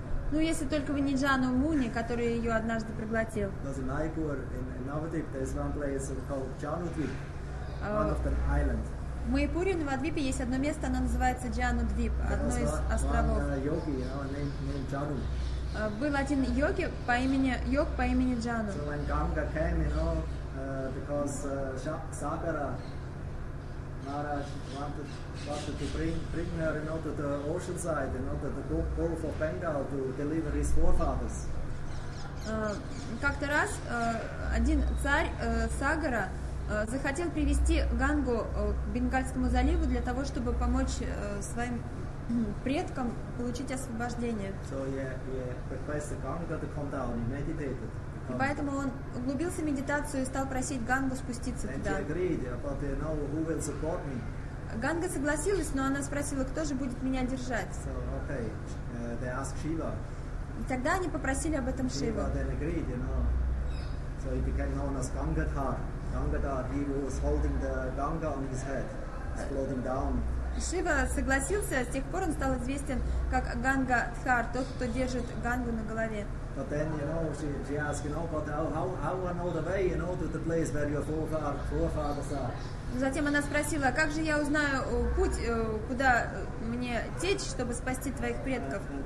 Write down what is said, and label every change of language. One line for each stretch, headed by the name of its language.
Russian: Ну, если только вы не Джану Муни, который ее однажды проглотил.
English: Because in Майяпур, in Навадвип, there is one place called Джанудвип, one of the islands.
Russian: В Майяпуре, в Навадвипе, есть одно место, оно называется Джанудвип, одно из островов.
English: There was one yogi, you know, named Джану.
Russian: Был один йог по имени Джану.
English: So when Ганга came, you know, because Сагара, Maharaj wanted to bring her, you know, to the ocean side, you know, to the Gulf of Bengal to deliver his forefathers.
Russian: Как-то раз один царь Сагара захотел привести Гангу к Бенгальскому заливу для того, чтобы помочь своим предкам получить освобождение.
English: So, yeah,
Russian: и поэтому он углубился в медитацию и стал просить Гангу спуститься
English: and
Russian: туда.
English: Agreed, but, you know, who will support me?
Russian: Ганга согласилась, но она спросила, кто же будет меня держать.
English: So, okay. They asked Shiva.
Russian: И тогда они попросили об этом Шиву.
English: So he became known as Gangadhar. Gangadhar, he was holding the Ganga on his head, floating down.
Russian: Шива согласился, с тех пор он стал известен как Гангадхар, тот, кто держит Гангу на голове.
English: But then, you know, she asked, you know, but how I know the way, you know, to the place where your forefathers are.
Russian: Затем она спросила, как же я узнаю путь, куда мне течь, чтобы спасти твоих предков?